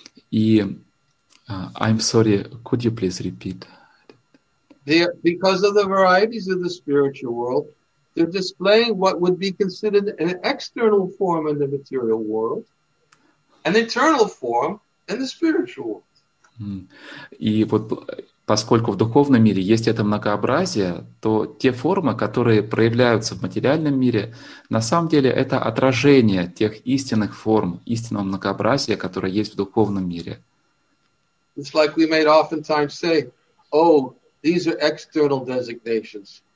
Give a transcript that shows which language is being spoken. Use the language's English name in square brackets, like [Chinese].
[English] И, I'm sorry, could you please repeat? They're, because of the varieties of the spiritual world, they're displaying what would be considered an external form in the material world, an internal form in the spiritual world. [Russian] И вот поскольку в духовном мире есть это многообразие, то те формы, которые проявляются в материальном мире, на самом деле это отражение тех истинных форм, истинного многообразия, которое есть в духовном мире. [English] It's like we may oftentimes say, oh, these are external designations.